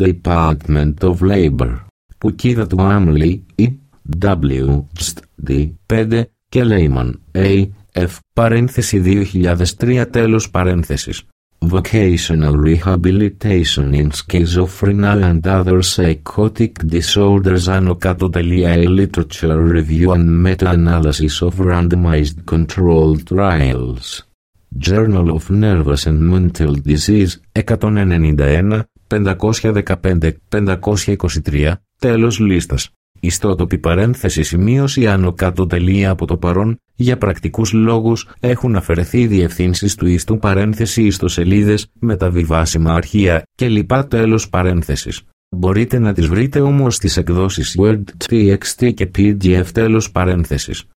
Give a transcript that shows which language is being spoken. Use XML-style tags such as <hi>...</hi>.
<en>Department of Labor,</en> <el>Κουκίδα Τουάμλι, E, W, Τζτ, D, 5, και Λέιμαν, A, F, παρένθεση 2003 τέλος παρένθεσης.</el> <en>Vocational Rehabilitation in Schizophrenia and Other Psychotic Disorders άνω κάτω τελεία A Literature Review and Meta-Analysis of Randomized Controlled Trials Journal of Nervous and Mental Disease 191, 515, 523,</en> <el>τέλος λίστας. Ιστότοπη παρένθεση σημείωση άνω κάτω τελεία από το παρόν, για πρακτικούς λόγους έχουν αφαιρεθεί οι διευθύνσεις του ιστού παρένθεση ιστοσελίδες, μεταβιβάσιμα αρχεία κλπ. Τέλος παρένθεσης. Μπορείτε να τις βρείτε όμως στις εκδόσεις Word, TXT και PDF τέλος παρένθεσης.</el>